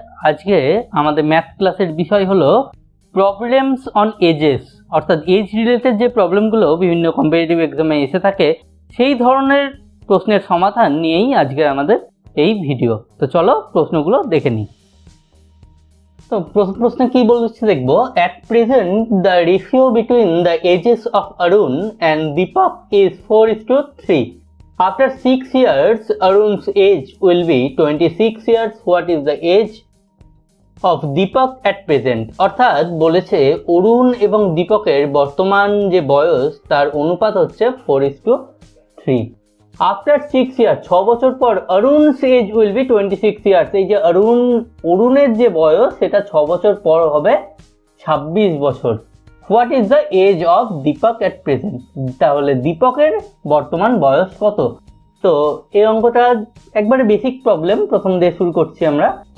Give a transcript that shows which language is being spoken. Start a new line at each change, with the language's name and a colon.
Bangla: আজকে আমাদের ম্যাথ ক্লাসের বিষয় হলো প্রবলেমস অন এজেস, অর্থাৎ এজ রিলেটেড যে প্রবলেমগুলো বিভিন্ন কম্পিটিটিভ এক্সামে এসে থাকে, সেই ধরনের প্রশ্নের সমাধান নিয়েই আজকে আমাদের এই ভিডিও। তো চলো প্রশ্নগুলো দেখে নিই। তো প্রশ্ন কী বলছে দেখবো।
English: At present the ratio between the ages of Arun and Deepak is 4:3। After 6 years, Arun's age will be 26 years. What is the age of Deepak at present?
Bangla: অর্থাৎ বলেছে অরুণ এবং দীপকের বর্তমান যে বয়স তার অনুপাত হচ্ছে 4:3।
English: After 6 years,
Bangla: 6 বছর পর
English: Arun's age will be 26 years.
Bangla: এই যে অরুণের যে বয়স সেটা 6 বছর পর হবে 26 বছর।
English: what is the age of Deepak at present,
Bangla: তাহলে দীপকের বর্তমান বয়স কত? তো এই অঙ্কটা একবারে বেসিক প্রবলেম, প্রথম দিয়ে শুরু করছি আমরা।